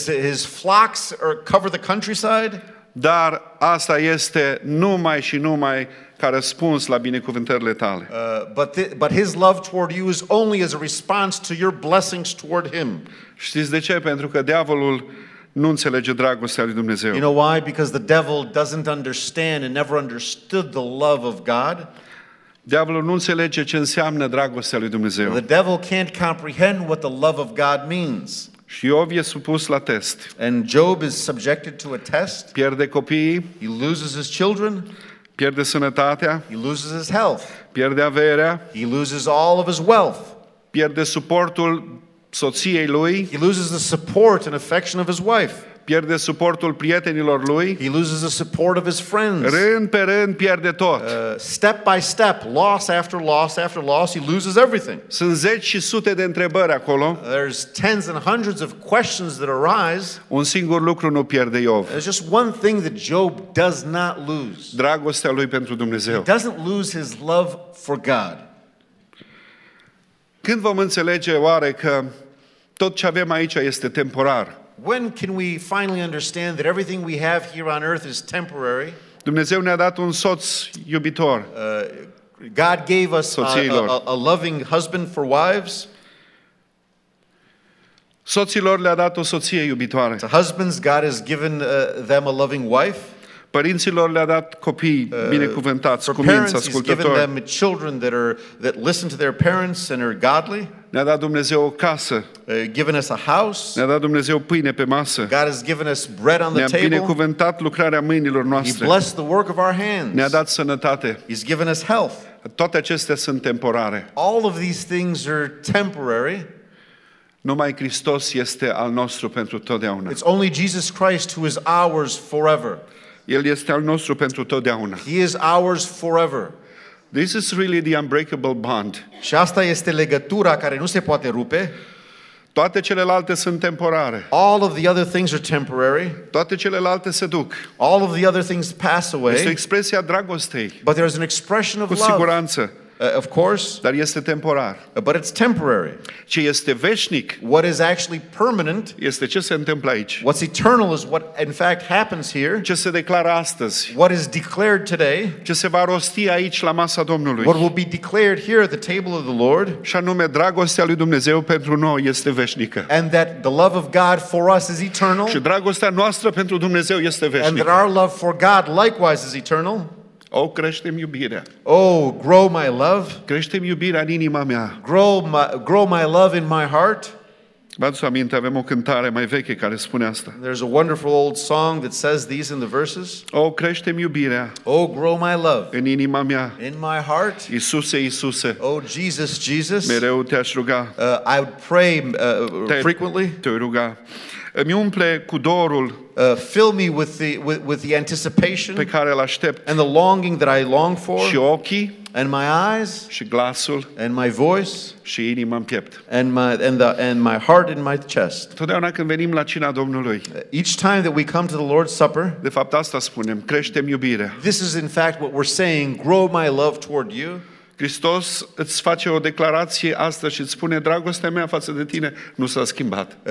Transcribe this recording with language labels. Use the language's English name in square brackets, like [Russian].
[English] His flocks cover the countryside. [Romanian] Dar asta este numai și numai ca răspuns la binecuvântările tale. [English] But his love toward you is only as a response to your blessings toward him. [Romanian] Știți de ce? Pentru că diavolul nu înțelege dragostea lui Dumnezeu. [English] You know why? Because the devil doesn't understand and never understood the love of God. [Romanian] Diavolul nu înțelege ce înseamnă dragostea lui Dumnezeu. [English] The devil can't comprehend what the love of God means. [Romanian] Și Iov e supus la test. [English] And Job is subjected to a test. [Romanian] Pierde copiii. [English] He loses his children. [Romanian] Pierde sănătatea. [English] He loses his health. [Romanian] Pierde averea. [English] He loses all of his wealth. [Romanian] Pierde suportul soției lui. [English] He loses the support and affection of his wife. [Romanian] Pierde suportul prietenilor lui. [English] He loses the support of his friends. [Romanian] Rând pe rând pierde tot. [English] Step by step, loss after loss after loss, he loses everything. [Romanian] Sunt zeci și sute de întrebări acolo. [English] There's tens and hundreds of questions that arise. [Romanian] Un singur lucru nu pierde Iov. [English] There's just one thing that Job does not lose. [Romanian] Dragostea lui pentru Dumnezeu. [English] He doesn't lose his love for God. [Romanian] Când vom înțelege oare că tot ce avem aici este temporar? [English] When can we finally understand that everything we have here on earth is temporary? [Romanian] Dumnezeu ne-a dat un soț iubitor. [English] God gave us a loving husband for wives. [Romanian] Soților le-a dat o soție iubitoare. [English] To husbands, God has given them a loving wife. [Romanian] Părinților le-a dat copii binecuvântați, cuminți, ascultători. [English] For parents, he's given them children that listen to their parents and are godly. [Romanian] Ne-a dat Dumnezeu o casă. [English] Given us a house. [Romanian] Ne-a dat Dumnezeu pâine pe masă. [English] God has given us bread on the table. [Romanian] Ne-a binecuvântat lucrarea mâinilor noastre. [English] He blessed the work of our hands. [Romanian] Ne-a dat sănătate. [English] He's given us health. [Romanian] Toate acestea sunt temporare. [English] All of these things are temporary. [Romanian] Numai Hristos este al nostru pentru totdeauna. [English] It's only Jesus Christ who is ours forever. [Romanian] El este al nostru pentru totdeauna. [English] He is ours forever. This is really the unbreakable bond. [Romanian] Și asta este legătura care nu se poate rupe. Toate celelalte sunt temporare. [English] All of the other things are temporary. [Romanian] Toate celelalte se duc. [English] All of the other things pass away. [Romanian] Este expresia dragostei. [English] But there is an expression of love. [Romanian] Cu siguranță. [English] Of course. [Romanian] Dar este temporar. [English] But it's temporary. [Romanian] Ce este veșnic? [English] What is actually permanent? [Romanian] Este ce se întâmplă aici. [English] What's eternal is what in fact happens here. [Romanian] Ce se declară astăzi. [English] What is declared today. [Romanian] Ce se va rosti aici la masa Domnului. [English] What will be declared here at the table of the Lord. [Romanian] Și anume dragostea lui Dumnezeu pentru noi este veșnică. [English] And that the love of God for us is eternal. [Romanian] Și dragostea noastră pentru Dumnezeu este veșnică. [English] And that our love for God likewise is eternal. [Romanian] O, creștem iubirea. [English] Oh, grow my love. [Romanian] Creștem iubirea în inima mea. [English] Grow my love in my heart. [Romanian] V-ați aminte, avem o cântare mai veche care spune asta. [English] There's a wonderful old song that says these in the verses. [Romanian] O, creștem iubirea. [English] Oh, grow my love. [Romanian] În inima mea. [English] In my heart. [Romanian] Iisuse, Iisuse. [English] Oh, Jesus, Jesus. [Romanian] Mereu te-aș ruga. [English] I would pray frequently. [Romanian] Te-o ruga. Îmi umple cu dorul. [English] Fill me with the anticipation [Romanian] pe care l-aștept. [English] And the longing that I long for. [Romanian] Și ochii. [English] And my eyes. [Romanian] Și glasul. [English] And my voice. [Romanian] Și inima în piept. [English] And my heart in my chest. [Romanian] Totdeauna când venim la cina Domnului. [English] Each time that we come to the Lord's Supper. [Romanian] De fapt asta spunem, creștem iubirea. [English] This is in fact what we're saying, grow my love toward you. [Romanian] Hristos îți face o declarație astăzi și îți spune dragostea mea față de tine nu s-a schimbat.